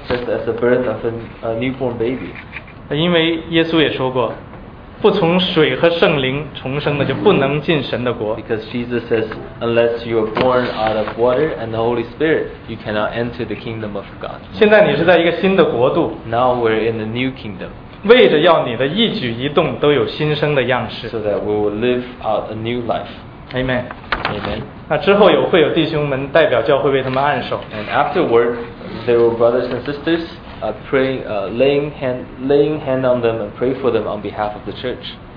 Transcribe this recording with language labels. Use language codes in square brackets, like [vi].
[en] just as the birth of a newborn baby [zh] 因为耶稣也说过不从水和圣灵重生的就不能进神的国 [en] because Jesus says unless you are born out of water and the Holy Spirit you cannot enter the kingdom of God [zh] 现在你是在一个新的国度 [en] now we're in a new kingdom [zh] 为着要你的一举一动都有新生的样式 [en] so that we will live out a new life Amen Amen. [zh] 之后有会有弟兄们代表教会为他们按手。 [en] And afterward, there were brothers and sisters laying hand on them and pray for them on behalf of the church.